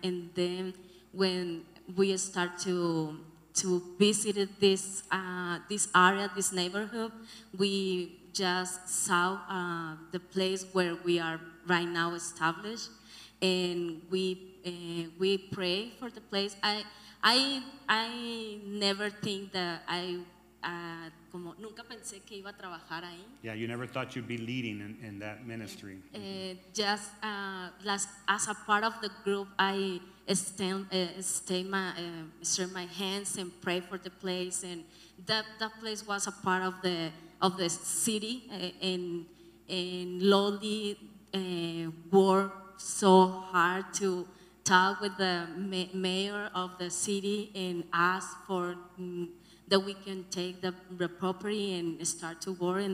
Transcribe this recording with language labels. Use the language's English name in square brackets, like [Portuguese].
[English] And then when we start to visit this area, this neighborhood, we just saw the place where we are right now established, and we pray for the place. I never think that I [Spanish] Como nunca pensé que iba a trabajar ahí. [English] Yeah, you never thought you'd be leading in that ministry. Mm-hmm. Just as a part of the group, I stayed my hands and pray for the place, and that place was a part of the city, and Lolly worked so hard to talk with the mayor of the city and ask for that we can take the property and start to work.